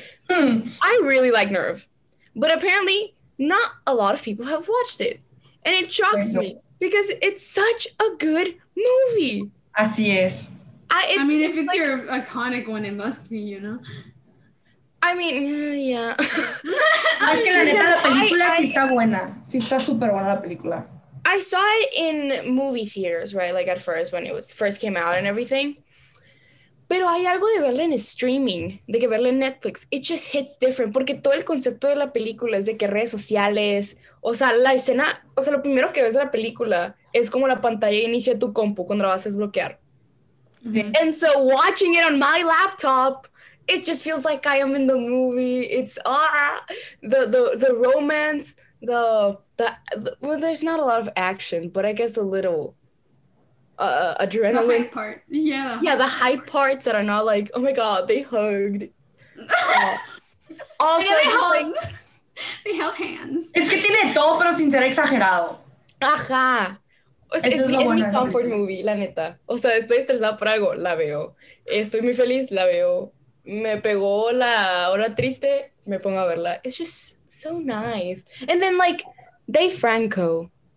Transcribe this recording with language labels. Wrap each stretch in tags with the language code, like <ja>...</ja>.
<en>I really like Nerve, but apparently not a lot of people have watched it, and it shocks me. Because it's such a good movie.</en> <es>Así es.</es> <en>I mean, if it's your iconic one, it must be, you know? I mean, yeah.</en> <es>Es que la neta, la película sí está buena. Sí está súper buena la película.</es> <en>I saw it in movie theaters, right? Like, at first, when it was first came out and everything.</en> <es>Pero hay algo de verla en streaming, de que verla en Netflix. It just hits different, porque todo el concepto de la película es de que redes sociales, o sea, la escena, o sea, lo primero que ves de la película es como la pantalla de inicio de tu compu cuando la vas a desbloquear. Mm-hmm.</es> <en>And so watching it on my laptop, it just feels like I am in the movie. It's, the romance, the well, there's not a lot of action, but I guess a little... adrenaline. The hype part. Yeah. The hype parts that are not like, oh my god, they hugged. Also, yeah, they hugged. Like, they held hands.</en> <es>Es que tiene todo, pero sin ser exagerado. Ajá. O sea, es bueno, mi comfort movie, la neta. O sea, estoy estresada por algo, la veo. Estoy muy feliz, la veo. Me pegó la hora triste, me pongo a verla.</es> <en>It's just so nice. And then, like, Dave Franco.</en>